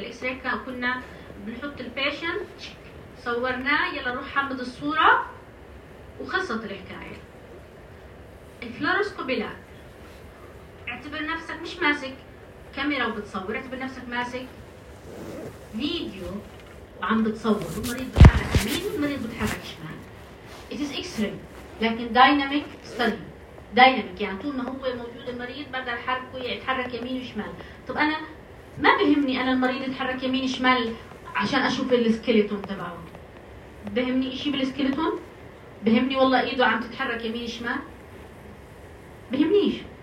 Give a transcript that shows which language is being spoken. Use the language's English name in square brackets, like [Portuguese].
[Arabic] الاكس راي كنا بنحط البيشنت صورناه يلا نروح حمد الصوره وخلصت الحكايه. الفلوروسكوبي لا، اعتبر نفسك مش ماسك كاميرا وبتصور، اعتبر نفسك ماسك فيديو وعم بتصور. المريض بتحرك يمين والمريض بتحرك شمال. [English] It is X-ray لكن dynamic study. [Arabic] dynamic يعني طول ما هو موجود المريض بقدر حركه يتحرك يمين وشمال. طب انا ما بهمني انا المريض يتحرك يمين وشمال عشان اشوف السكيلتون تبعه. بهمني اشي بالسكيلتون؟ بهمني والله ايده عم تتحرك يمين وشمال؟ بهمنيش.